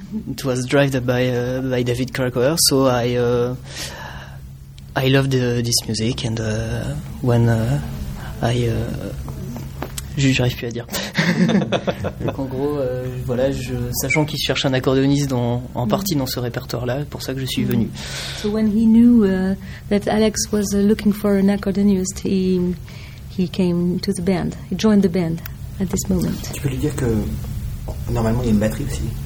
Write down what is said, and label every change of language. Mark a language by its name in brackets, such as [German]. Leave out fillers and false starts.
[English] It was drived by David Krakauer, so I loved this music, and when [French] J'arrive plus à dire. Donc en gros, voilà, sachant qu'il cherche un accordéoniste en partie dans ce répertoire-là, c'est pour ça que je suis venu. [English] So when he knew that Alex was looking for an accordionist, he came to the band. He joined the band at this moment. [French] Tu peux lui dire que normalement il y a une batterie aussi.